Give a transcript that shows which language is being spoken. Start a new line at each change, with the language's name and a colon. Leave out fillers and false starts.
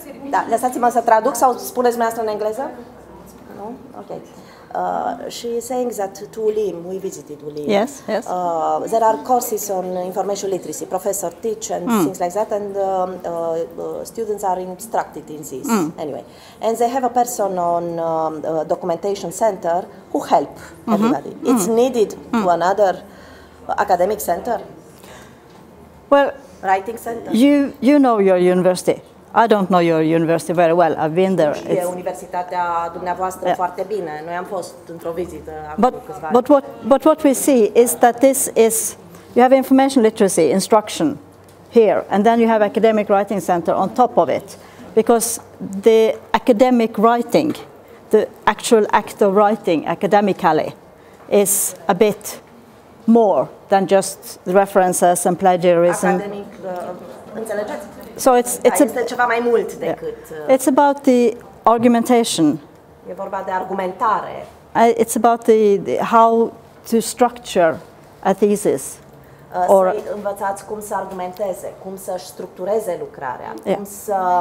Romanian: Da, lăsați-mă să traduc sau spuneți dumneavoastră în engleză? Nu? Ok.
English: She is saying that to Ulim, we visited Ulim. Yes, yes. There are courses on information literacy, professor teach and things like that, and students are instructed in this, anyway. And they have a person on documentation center who help everybody. Mm-hmm. It's needed to another academic center? Well, writing center. You know your university. I don't know your university very well. I've been there.
Romanian: E universitatea dumneavoastră foarte bine. Noi am fost într-o vizită acolo câțiva.
English: But what we see is that this is you have information literacy instruction here and then you have academic writing center on top of it. Because the academic writing, the actual act of writing academically is a bit more than just the references and plagiarism.
Romanian: Academic, înțelegeți?
English: So it's
Romanian: ceva mai mult decât
English: it's about the argumentation.
Romanian: E vorba de argumentare.
English: It's about the how to structure a thesis.
Romanian: Or învățați cum să argumenteze, cum să -și structureze lucrarea, cum să